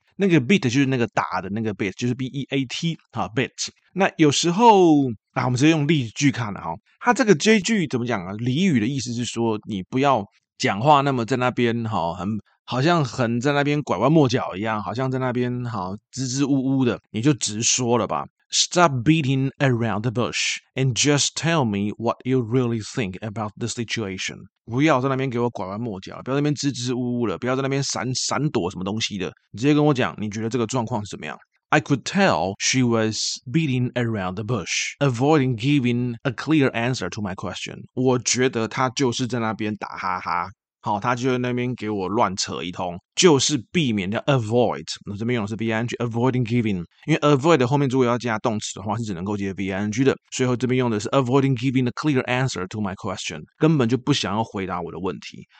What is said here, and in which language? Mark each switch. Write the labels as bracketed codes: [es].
[zh] 那个 beat 就是那个打的那个 beat， 就是 b e a t 啊 beat。那有时候啊，我们直接用例句看了哈。它这个 J 句怎么讲啊？俚语的意思是说，你不要讲话那么在那边哈，很好像很在那边拐弯抹角一样，好像在那边哈支支吾吾的，你就直说了吧。 [en] Stop beating around the bush and just tell me what you really think about the situation. [zh] 不要在那边给我拐弯抹角，不要在那边支支吾吾了，不要在那边闪躲什么东西的。你直接跟我讲，你觉得这个状况是怎么样？ [en] I could tell she was beating around the bush, avoiding giving a clear answer to my question. [zh] 我觉得她就是在那边打哈哈。好，他就在那边给我乱扯一通，就是避免掉 avoid。那这边用的是 VNG， [en] avoiding giving， [zh] 因为 avoid 后面如果要加动词的话，是只能够接 VNG 的。最后这边用的是 [en] avoiding giving a clear answer to my question， [zh] 根本就不想要回答我的问题。